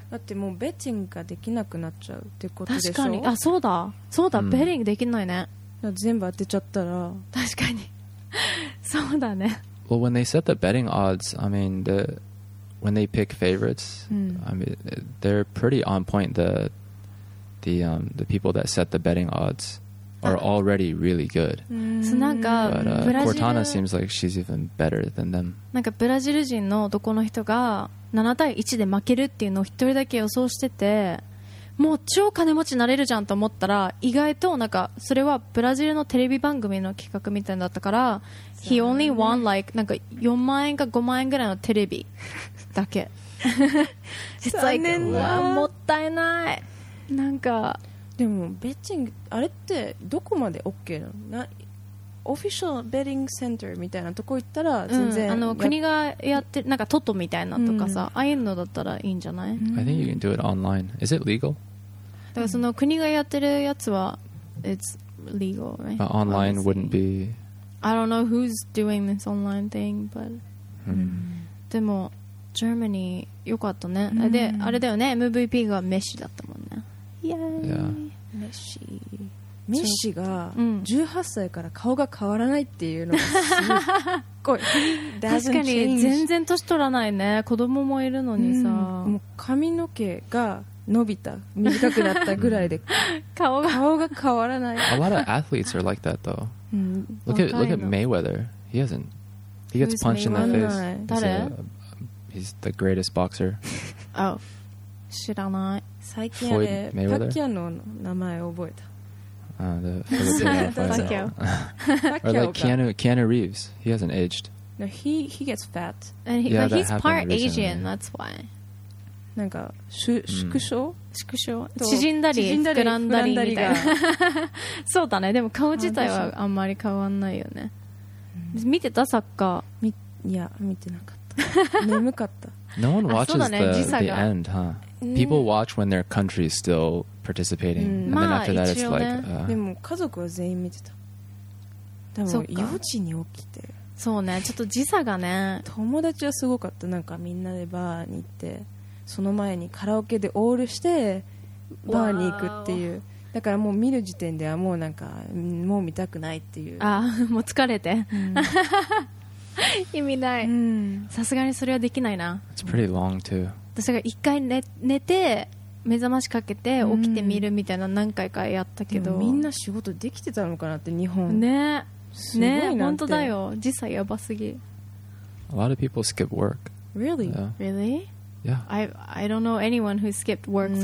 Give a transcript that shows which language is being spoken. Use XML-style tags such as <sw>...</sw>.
<ja>だってもうベッティングができなくなっちゃうってことでしょ。確かに。あ、そうだ。そうだ。 Mm. ベッティングできないね。全部当てちゃったら。確かに。そうだね。</ja> <en>Well, when they set the betting odds, I mean, the when they pick favorites,、mm. I mean, they're pretty on point. The people that set the betting odds. Are already really good.</en> <ja>So, なんか</ja> <en>But Cortana seems like she's even better than them.</en> <ja>なんかブラジル人のどこの人が7対1で負けるっていうのを一人だけ予想してて、もう超金持ちになれるじゃんと思ったら、意外となんかそれはブラジルのテレビ番組の企画みたいだったから、</ja> <en>He only won like</en> <ja>なんか4万円か5万円ぐらいのテレビだけ。残念だ。もったいない。なんか。でもベッティングあれってどこまで OK なの？なオフィシャルベッティングセンターみたいなとこ行ったら全然、うん、あの国がやってなんかトトみたいなとかさ、うん、ああいうのだったらいいんじゃない？</ja> <en>I think you can do it online. Is it legal?</en> <ja>だからその国がやってるやつは</ja> <en>it's legal, right? But online wouldn't be. I don't know who's doing this online thing, but、</en> <ja>うん、でもジェーマニーよかったね、うん、であれだよね、 MVP がメッシだったもんね。メッシメッシが18歳から顔が変わらないっていうのがすっごい確かに全然年取らないね。子供もいるのにさ、うん、もう髪の毛が伸びた短くなったぐらいで顔が変わらない。</ja> <en>A lot of athletes are like that though. Look at Mayweather. He hasn't He gets punched in the face.</en> <ja>誰？</ja> <en>He's the greatest boxer.</en> <ja>Oh, 知らない。最近あれパッキャオの名前を覚えた。</ja> <en>the Filipino Pacquiao. Or like Keanu Reeves. He hasn't aged. No, he gets fat. And he, yeah, but he's part Asian, that's why.</en> <ja>なんか縮小縮小縮んだり膨らんだりみたいなそうだねでも顔自体はあんまり変わんないよね、うん、見てたサッカーいや見てなかった 眠かった</ja> <en>No one watches、ね、the end, huh? People watch when their country is still participating、うん、and then after、まあ、that it's、ね、like、</en> <ja>でも家族は全員見てたでも4時に起きてそうねちょっと時差がね友達はすごかったなんかみんなでバーに行ってその前にカラオケでオールしてバーに行くっていう、wow. だからもう見る時点ではもうなんかもう見たくないっていうああもう疲れて、うん、意味ないさすがにそれはできないな</ja> <en>It's pretty long too</en> <ja>だから一回 寝て目覚ましかけて起きて見るみたいな何回かやったけど、うん、みんな仕事できてたのかなって日本ねすごいなんて、ね、本当だよ実際やばすぎ</ja> <en>A lot of people skip work Really?、 Yeah. Really? Yeah. I don't know anyone who skipped work、mm.</en>